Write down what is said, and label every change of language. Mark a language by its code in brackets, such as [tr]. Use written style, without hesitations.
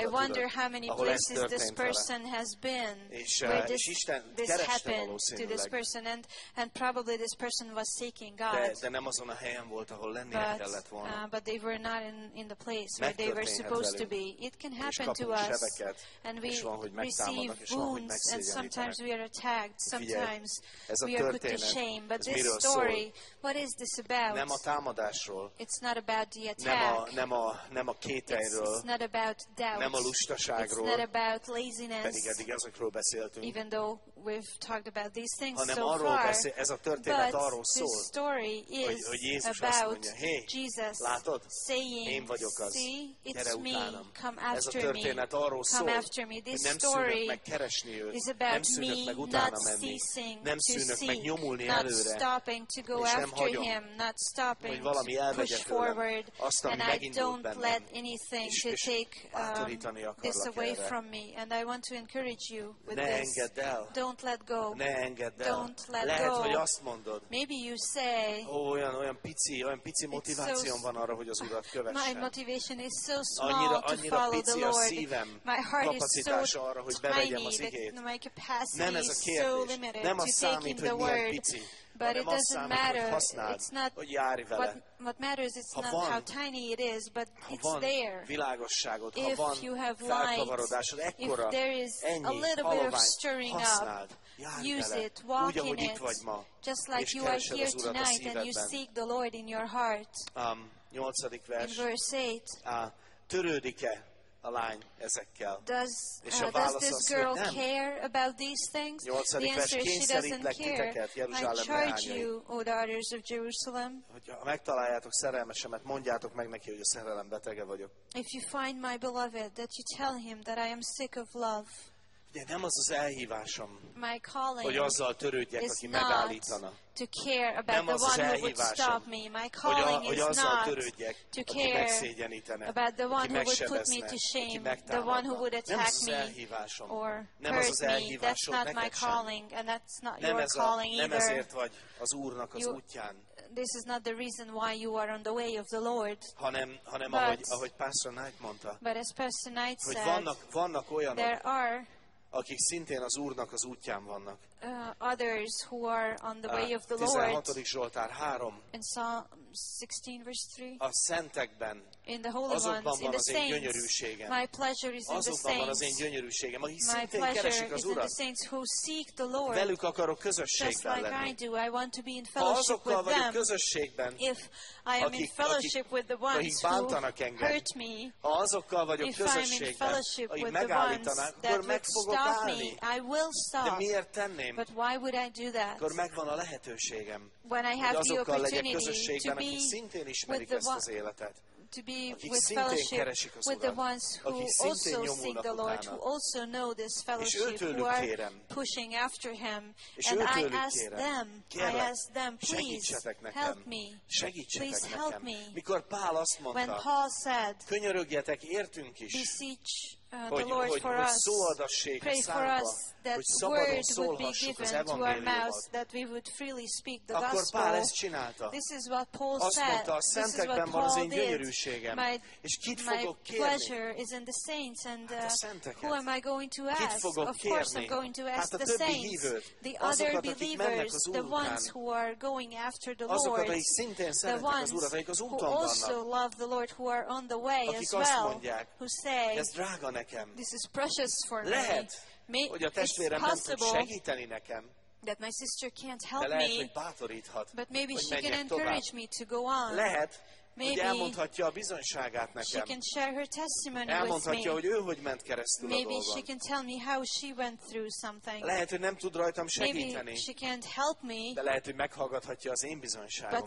[en] I wonder how many places this person has been where this happened to this person and probably this person was seeking God [hu] de nem azon a helyen volt, ahol lennie kellett volna. [en] But they were not in the place where they were supposed to be. It can happen to us and we receive wounds and sometimes we are attacked, sometimes we are put to shame. But this story, what is this about? [hu] Nem a támadásról. [en] It's not about the attack. [hu] Nem a kételyről. [en] It's not about doubt. [hu] Nem a lustaságról. [en] It's not about laziness. [hu] Pedig eddig ezekről beszéltünk. [en] Even though we've talked about these things [hu] hanem [en] so [hu] arról [en] far. [hu] Beszél, ez a történet arról szól. [en] But this story is [hu] hogy Jézus [en] about [hu] azt mondja, hey, [en] Jesus [hu] látod? [en] Saying, [hu] én vagyok az. [en] See, it's me, come after me. [hu] Ez a történet arról szól. [en] Come after me. This story is about me not ceasing to seek, not stopping to go after him, not stopping to push forward, and I don't let anything to take this away from me. And I want to encourage you with this. Don't let go. Don't let go. Maybe you say, my motivation is so small to follow the Lord. My heart is so tiny that my capacity is so limited to taking the word. But it doesn't matter. It's not what matters. It's not how tiny it is, but it's there. If you have light, if there is a little bit of stirring up, use it, walk in it, just like you are here tonight and you seek the Lord in your heart. In verse 8, [hu] törődik-e a lány ezekkel? [en] Does this girl care about these things? The answer is she doesn't care. I charge you, O daughters of Jerusalem, [hu] ha megtaláljátok szerelmesemet, mondjátok meg neki, hogy a szerelem betege vagyok. [en] If you find my beloved, that you tell him that I am sick of love. [hu] De nem az az elhívásom, [en] my calling [hu] hogy azzal törődjek, aki megállítana. [en] To care about the one who would stop me. My calling is not to care about the one who would put me to shame, the one who would attack me or hurt me. That's not my calling, and that's not your calling either. This is not the reason why you are on the way of the Lord. But Pastor Knight [hu] mondta, [en] but as Pastor Knight said, there are [hu] akik szintén az Úrnak az útján vannak. [en] Others who are on the way of the Lord. [hu] 16. Zsoltár 3. [en] In Psalm 16 verse 3. [hu] A szentekben. [en] In the holy ones, [hu] azokban van [en] the [hu] az [en] saints, [hu] én gyönyörűségem. [en] My pleasure is [hu] azokban [en] in the saints. [hu] Azokban van az én gyönyörűségem, akik [en] my [hu] szintén keresik az Urat. [en] In the saints who seek the Lord. [hu] Velük akarok közösségben lenni. [en] Just like I do, I want to be in fellowship with them. [hu] Vagyok közösségben, [en] if I am in fellowship with the ones who hurt me. [hu] Ha azokkal vagyok közösségben, akik megállítanak, [en] stop me, I will stop. [hu] De miért tenném? [en] But why would I do that? [hu] Akkor megvan a lehetőségem, [en] when I have [hu] hogy azokkal [en] the opportunity [hu] legyek közösségben, akik szintén ismerik ezt az életet. [en] To be with fellowship with the ones who also seek the Lord, who also know this fellowship, who are pushing after him. And I ask them, I ask them, please help me. Please help me. When Paul said, [hu] könyörögjetek értünk is, [en] beseech the Lord for us, pray for us that word would be given to our mouths, that we would freely speak the gospel. This is what Paul said. This is what Paul did. My pleasure is in the saints, and who am I going to ask? Of course I'm going to ask the saints, the other believers, the ones who are going after the Lord, the ones who also love the Lord, who are on the way as well, who say, this is precious for me. It's possible that my sister can't help me, but maybe she can encourage me to go on. Maybe [hu] elmondhatja a bizonyságát nekem. [en] She can share her testimony [hu] elmondhatja, hogy ő hogy ment keresztül [en] maybe [hu] a dolgon. [en] Maybe she can tell me how she went through something. [hu] Lehet, hogy nem tud rajtam segíteni. [en] Maybe she can't help me. [hu] De lehet, hogy meghallgathatja az én bizonyságomat.